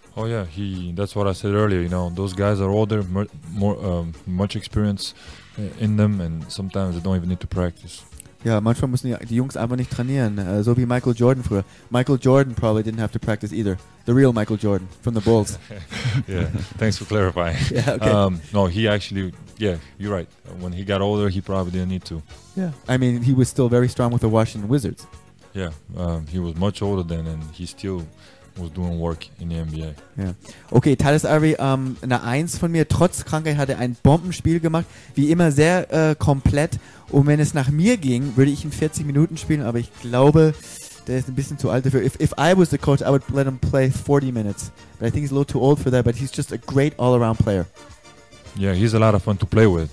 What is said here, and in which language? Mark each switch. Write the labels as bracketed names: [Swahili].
[English] Oh yeah, that's what I said earlier, you know, those guys are older, much experience in them, and sometimes they don't even need to practice. [German] Ja, manchmal müssen die Jungs einfach nicht trainieren, so wie Michael Jordan früher. [English] Michael Jordan probably didn't have to practice either. The real Michael Jordan from the Bulls. Yeah, thanks for clarifying. Yeah, okay. No, he actually, yeah, you're right. When he got older, he probably didn't need to. Yeah, I mean, he was still very strong with the Washington Wizards. Yeah, he was much older then, and he still was doing work in the NBA. [German] Yeah. Okay, Tyus Ivory, eine 1 von mir. Trotz Krankheit hat er ein Bombenspiel gemacht. Wie immer sehr komplett. Und wenn es nach mir ging, würde ich ihn 40 Minuten spielen. Aber ich glaube, der ist ein bisschen zu alt dafür. [English] If I was the coach, I would let him play 40 minutes. But I think he's a little too old for that. But he's just a great all-around player. Yeah, he's a lot of fun to play with.